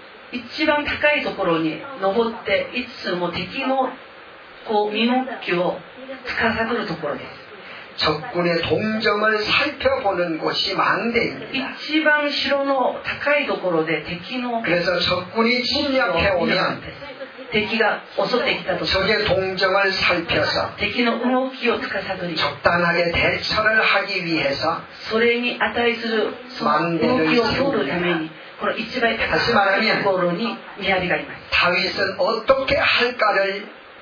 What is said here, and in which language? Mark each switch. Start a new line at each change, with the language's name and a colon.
Japanese: 一番高いところに登っていつも敵のこう身動きをつかさどるところです。
Korean: 적군의동정을살펴보는곳이망대입니다。
Japanese: 一番城の高いところで敵の
Korean: 그래서적군이침략해오면
Japanese: 敵が襲ってきたと
Korean: 적의동정을살펴서
Japanese: 敵の動きをつかさどり
Korean: 적당하게대처를하기위해서
Japanese: それに値する
Korean: 망대를
Japanese: 세우ためにこの一番高いところに見張りがいます。
Korean: 다윗은어떻게할까를